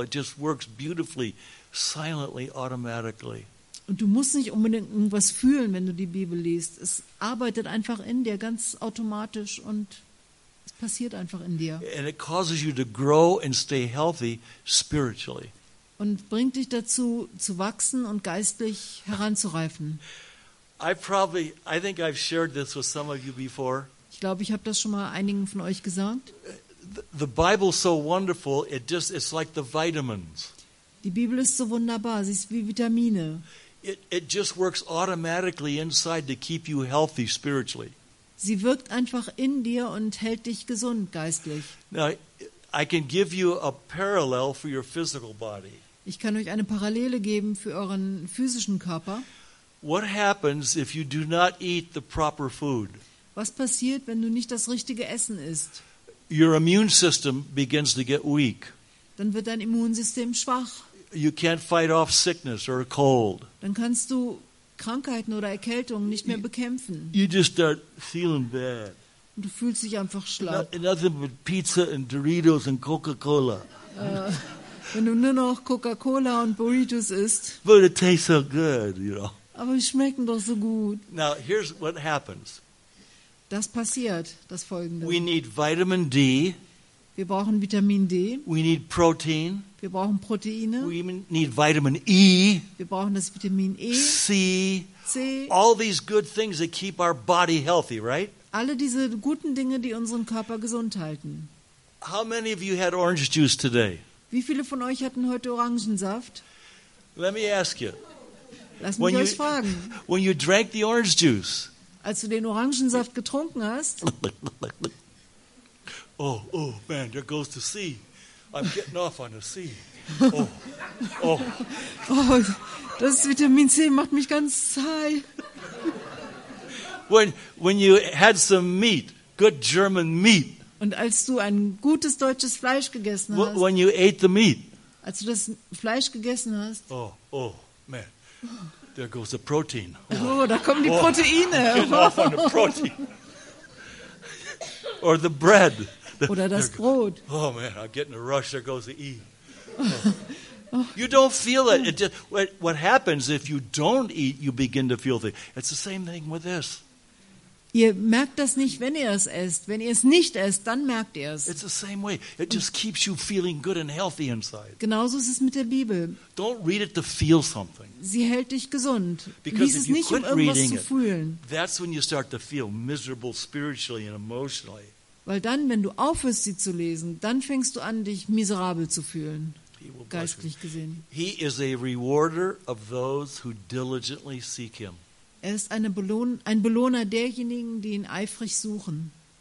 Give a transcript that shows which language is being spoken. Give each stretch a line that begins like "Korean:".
English: It just works beautifully. Silently, automatically.
German: Und du musst nicht unbedingt irgendwas fühlen, wenn du die Bibel liest. Es arbeitet einfach in dir ganz automatisch und es passiert einfach in dir.
English: And it causes you to grow and stay healthy spiritually.
German: Und bringt dich dazu zu wachsen und geistlich heranzureifen.
English: I think I've shared this with some of you before.
German: Ich glaube, ich habe das schon mal einigen von euch gesagt.
English: The Bible's so wonderful, it's like the vitamins.
German: Die Bibel ist so wunderbar, sie ist wie Vitamine.
English: It just works automatically inside to keep you healthy spiritually.
German: Sie wirkt einfach in dir und hält dich gesund geistlich.
English: Now, I can give you a parallel for your physical body.
German: Ich kann euch eine Parallele geben für euren physischen Körper.
English: What happens if you do not eat the proper food?
German: Was passiert, wenn du nicht das richtige Essen isst?
English: Your immune system begins to get weak.
German: Dann wird dein Immunsystem schwach.
English: You can't fight off sickness or a cold.
German: Dann kannst du Krankheiten oder Erkältungen nicht mehr bekämpfen.
English: You just start feeling bad.
German: Und du fühlst dich einfach schlapp.
English: Nothing but pizza and Doritos and Coca-Cola.
German: Wenn du nur noch Coca-Cola und Burritos isst.
English: But it tastes so good, you know.
German: Aber sie schmecken doch so gut.
English: Now here's what happens.
German: Das passiert, das Folgende.
English: We need vitamin D.
German: Wir brauchen Vitamin D.
English: We need protein.
German: Wir brauchen Proteine.
English: We need vitamin E.
German: Wir brauchen das Vitamin E. C. C.
English: All these good things that keep our body healthy, right?
German: Alle diese guten Dinge, die unseren Körper gesund halten.
English: How many of you had orange juice today?
German: Wie viele von euch hatten heute Orangensaft?
English: Let me ask you.
German: Lass mich euch fragen.
English: When you drank the orange juice.
German: Als du den Orangensaft getrunken hast.
English: Oh man, there goes the sea. I'm getting off on the sea. Oh.
German: Oh, das Vitamin C macht mich ganz high.
English: When you had some meat, good German meat.
German: Und als du ein gutes deutsches Fleisch gegessen hast.
English: When you ate the meat.
German: Als du das Fleisch gegessen hast.
English: Oh man. There goes the protein.
German: Oh, da kommen die Proteine.
English: Off on the protein. Or the bread.
German: Oder das Brot.
English: Oh man, I'm getting a rush. There goes the E. Oh. You don't feel it. It just, what happens if you don't eat, you begin to feel things. It's the same thing with this.
German: Ihr merkt das nicht, wenn ihr es esst. Wenn ihr es nicht esst, dann merkt ihr es.
English: It's the same way. It just keeps you feeling good and healthy inside.
German: Genauso ist es mit der Bibel.
English: Don't read it to feel something.
German: Sie hält dich gesund.
English: Because
German: lies es nicht, um irgendwas zu fühlen.
English: That's when you start to feel miserable spiritually and emotionally.
German: Weil dann, wenn du aufhörst, sie zu lesen, dann fängst du an, dich miserabel zu fühlen, geistlich gesehen.
English: He is a rewarder of those who diligently seek him.
German: Er ist eine ein Belohner derjenigen, die ihn eifrig suchen.